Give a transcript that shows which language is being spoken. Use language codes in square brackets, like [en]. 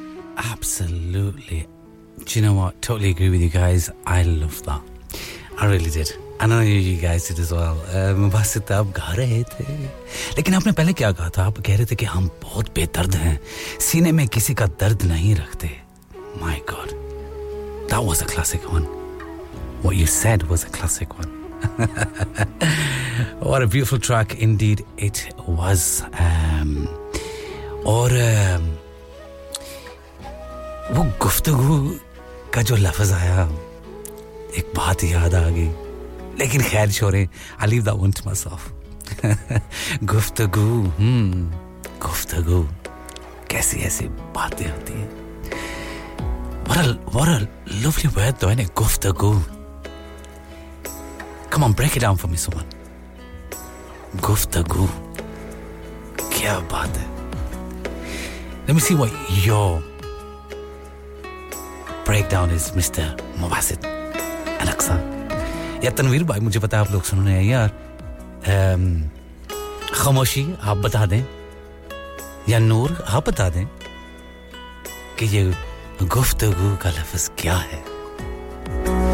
[en] Do you know what? Totally agree with you guys. I love that. I really did. And I know you guys did as well. [hi] बस इतना आप गा रहे थे. लेकिन आपने पहले क्या कहा था? आप कह रहे थे कि हम बहुत बेदर्द हैं. सीने में किसी का दर्द नहीं रखते. [en] My God, that was a classic one. What you said was a classic one. What a beautiful track indeed it was. [hi] और वो गुफ्तगू का जो लफ्ज आया एक बात याद आ गई लेकिन खैर छोड़ें [en] I leave that one to myself. [hi] गुफ्तगू गुफ्तगू कैसी ऐसी बातें होती हैं. [en] What a lovely word though, isn't it? [hi] गुफ्तगू. [en] Come on, break it down for me, someone. [hi] गुफ्तगू. क्या बात है. [en] Let me see what your breakdown is, Mr. Mubasid Alexa. Yeah, [hi] Tanveer bhai, मुझे पता है आप लोग सुन रहे हैं यार. खामोशी आप बता दें या नूर आप बता दें कि ये गुफ्तगू का लफ्ज क्या है.